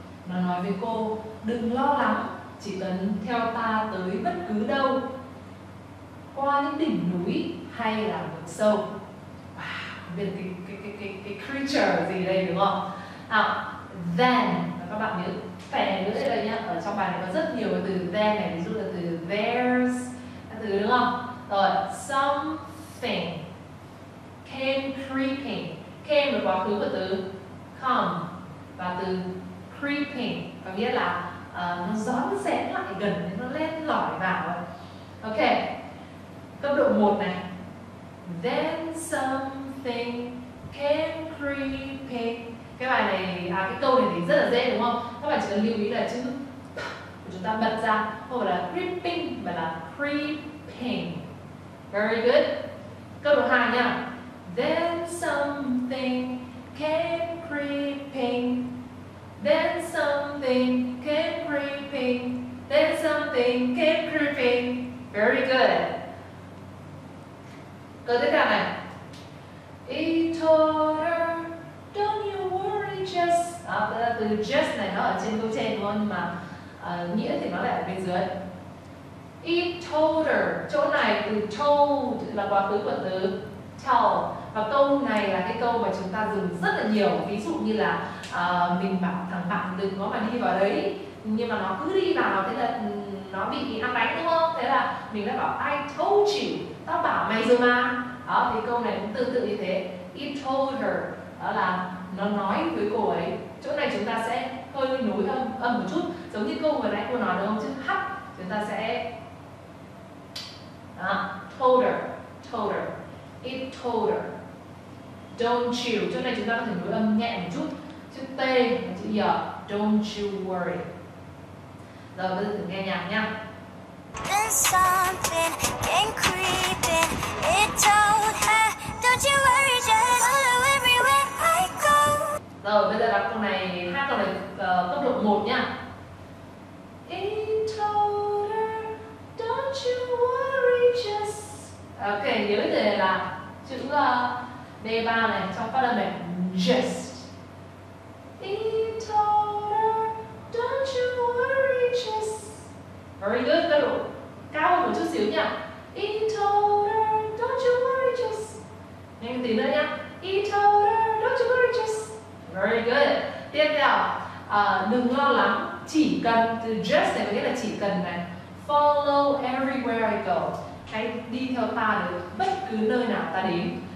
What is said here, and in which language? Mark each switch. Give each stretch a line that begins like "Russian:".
Vietnamese: Nó nói với cô, đừng lo lắng, chỉ cần theo ta tới bất cứ đâu, qua những đỉnh núi hay là vực sâu. Biết cái creature gì đây đúng không? Nào, then, các bạn nhớ phè nữa đây là nhá. Ở trong bài này có rất nhiều từ then này, ví dụ là từ there's, các từ đúng không?
English: Rồi, something came creeping.
Vietnamese: Came là quá khứ của từ come. Và từ creeping có nghĩa là nó rón rén lại gần, nó len lỏi vào. Ok, cấp độ 1 này.
English: Then something came creeping.
Vietnamese: Cái bài này, cái câu này thì rất là dễ đúng không? Các bạn chỉ cần lưu ý là chữ của chúng ta bật ra không phải là creeping mà là creeping.
English: Very good.
Vietnamese: Câu đầu 2 nha.
English: Then something came creeping. Then something came creeping. Then something came creeping. Very good.
Vietnamese: Câu tiếp theo này.
English: He told her, don't you worry just.
Vietnamese: À, cái là từ just này nó ở trên câu trên đúng không? Mà nghĩa thì nó lại ở bên dưới.
English: He told her.
Vietnamese: Chỗ này từ told là quá khứ của từ tell. Và câu này là cái câu mà chúng ta dùng rất là nhiều. Ví dụ như là mình bảo thằng bạn đừng có mà đi vào đấy, nhưng mà nó cứ đi vào, thế là nó bị ăn bánh đúng không? Thế là mình đã bảo
English: I told you,
Vietnamese: tao bảo mày rồi mà. Đó, thì câu này cũng tương tự như thế.
English: He told her,
Vietnamese: đó là nó nói với cô ấy. Chỗ này chúng ta sẽ hơi nối âm một chút, giống như câu vừa nãy cô nói đúng không? Chứ hắt, chúng ta sẽ đó, told her, told her.
English: He told her, don't you.
Vietnamese: Chỗ này chúng ta có thể nối âm nhẹ một chút, chữ T và chữ Y.
English: Don't you worry.
Vietnamese: Rồi bây giờ thử nghe nhạc nha.
English: There's something came creeping. It told her, don't you worry, just follow everywhere I go.
Vietnamese: Rồi bây giờ đọc câu này, hát câu này cấp độ 1 nha.
English: It told her, don't you worry, just.
Vietnamese: Ok, nhớ thế là chữ B3 này trong phát âm này, just.
English: It told her, don't you worry, just. Very good,
Vietnamese: câu độ cao hơn một chút xíu nha.
English: He told her, don't you worry, just.
Vietnamese: Nghe một tí nữa nha.
English: He told her, don't you worry, just. Very good.
Vietnamese: Tiếp theo, đừng lo lắng, chỉ cần, từ just này có nghĩa là chỉ cần này.
English: Follow everywhere I go.
Vietnamese: Hãy đi theo ta được bất cứ nơi nào ta đến.